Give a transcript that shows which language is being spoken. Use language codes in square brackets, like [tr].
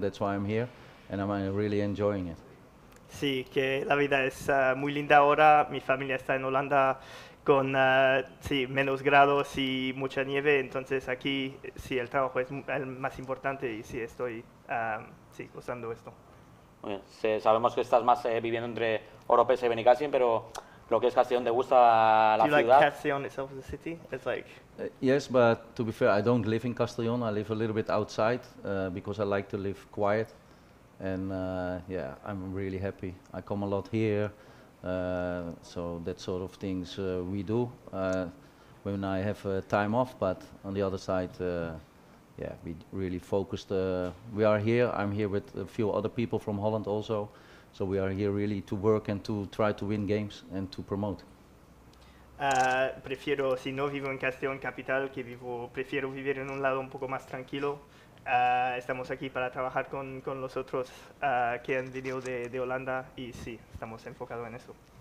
[en] That's why I'm here, and I'm really enjoying it. [es] Sí, que la vida es muy linda ahora. Mi familia está en Holanda. Con sí, menos grados y mucha nieve, entonces aquí sí, el trabajo es el más importante y sí, estoy sí, usando esto. Muy bien. Sí, sabemos que estás más viviendo entre Oropesa y Benicassim, pero lo que es Castellón, ¿te gusta la ciudad? ¿Te gusta [en] Castellón itself, the city? It's like... Yes, but to be fair, I don't live in Castellón, I live a little bit outside because I like to live quiet and yeah, I'm really happy. I come a lot here. So that sort of things we do when I have time off, but on the other side, yeah, we really focused. We are here, I'm here with a few other people from Holland also, so we are here really to work and to try to win games and to promote. [es] Prefiero, si no vivo en Castellón capital, que vivo, prefiero vivir en un lado un poco más tranquilo. Estamos aquí para trabajar con los otros que han venido de Holanda y sí, estamos enfocados en eso.